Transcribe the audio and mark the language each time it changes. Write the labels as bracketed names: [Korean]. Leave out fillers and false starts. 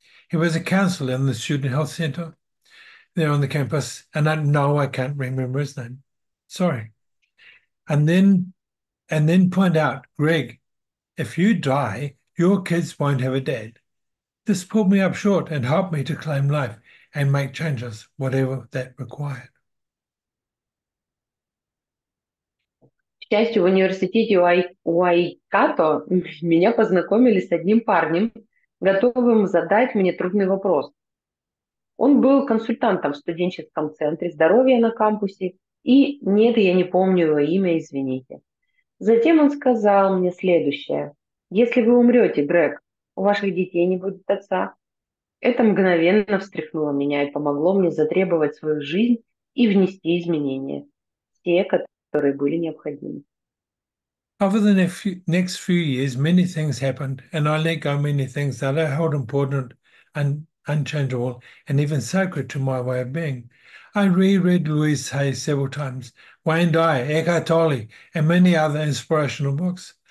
[English] He was a counsellor in the Student Health Centre there on the campus, and I can't remember his name. Sorry. And then point out, Greg, if you die, your kids won't have a dad. This pulled me up short and helped me to claim life and make changes, whatever that required. [Russian] К счастью, в университете Уайкато меня познакомили с одним парнем, готовым задать мне трудный вопрос. Он был консультантом в студенческом центре здоровья на кампусе, и нет, я не помню его имя, извините. Затем он сказал мне следующее: «Если вы умрете, Грег, у ваших детей не будет отца». Это мгновенно встряхнуло меня и помогло мне затребовать свою жизнь и внести изменения. Те, которые которые были необходимы. [English] Over the next few years, many things happened, and I let go many things that I held important and unchangeable and even sacred to my way of being. I reread Louise Hay several times, Wayne Dyer, Eckhart Tolle, and many other inspirational books.